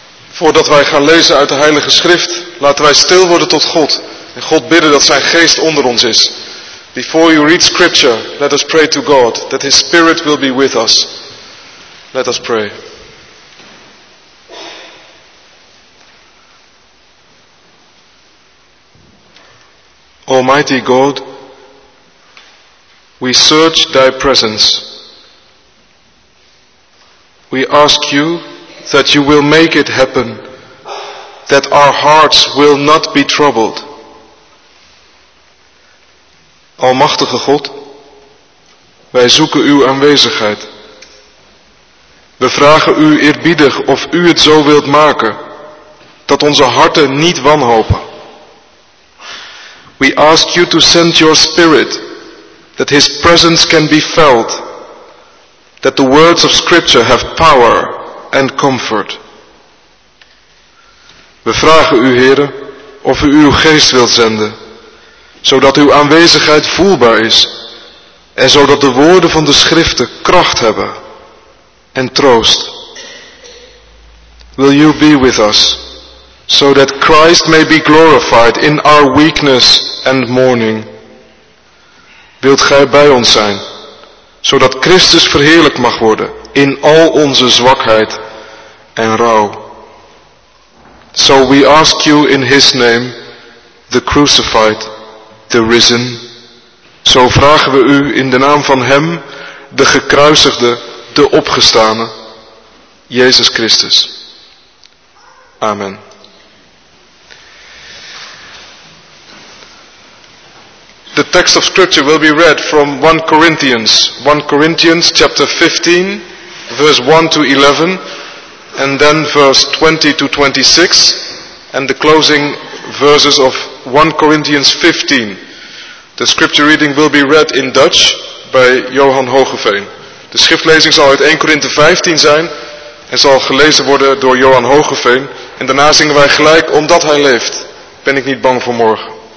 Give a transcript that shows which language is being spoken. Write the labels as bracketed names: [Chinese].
[Dutch] Voordat wij gaan lezen uit de Heilige Schrift, laten wij stil worden tot God en God bidden dat zijn geest onder ons is. [English] Before you read scripture, let us pray to God that his spirit will be with us. Let us pray. Almighty God, we search thy presence. We ask you that you will make it happen, that our hearts will not be troubled. [Dutch] Almachtige God, wij zoeken uw aanwezigheid. We vragen u eerbiedig of u het zo wilt maken, dat onze harten niet wanhopen. [English] We ask you to send your spirit, that his presence can be felt, that the words of scripture have power and comfort. [Dutch] We vragen u, Heere, of u uw geest wilt zenden, zodat uw aanwezigheid voelbaar is en zodat de woorden van de schriften kracht hebben en troost. [English] Will you be with us, so that Christ may be glorified in our weakness and mourning? [Dutch] Wilt gij bij ons zijn, zodat Christus verheerlijk mag worden in al onze zwakheid en rouw. [English] So we ask you in his name, the crucified, the risen. [Dutch] Zo vragen we u in de naam van hem, de gekruisigde, de opgestane, Jezus Christus. Amen. [English] The text of scripture will be read from 1 Corinthians. 1 Corinthians chapter 15, verse 1 to 11, and then verse 20 to 26, and the closing verses of 1 Corinthians 15. The scripture reading will be read in Dutch by Johan Hogeveen. [Dutch] De schriftlezing zal uit 1 Korinthe 15 zijn en zal gelezen worden door Johan Hogeveen. En daarna zingen wij gelijk, omdat hij leeft, ben ik niet bang voor morgen.